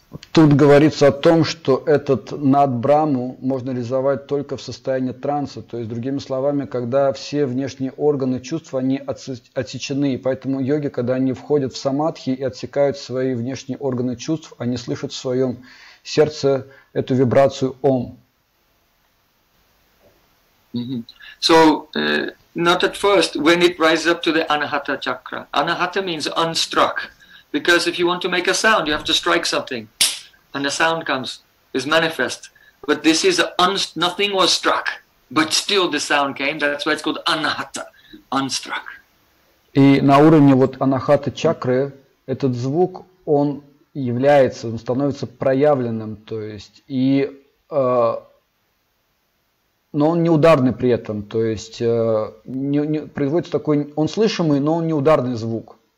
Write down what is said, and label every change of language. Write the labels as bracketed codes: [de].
[ru] Тут говорится о том, что этот над Брахму можно реализовать только в состоянии транса. То есть, другими словами, когда все внешние органы чувства, они отсечены. И поэтому йоги, когда они входят в самадхи и отсекают свои внешние органы чувств, они слышат в своем сердце эту вибрацию Ом. Mm-hmm. [en] So, not at first, when it rises up to the anahata chakra. Anahata means unstruck. Because if you want to make a sound, you have to strike something. And the sound comes, is manifest. But this is nothing was struck, but still the sound came. That's why it's called anahata, unstruck. [ru] И на уровне вот анахаты чакры этот звук, он является, он становится проявленным, то есть, и, но он неударный при этом, то есть, производится такой, он слышимый, но он неударный звук.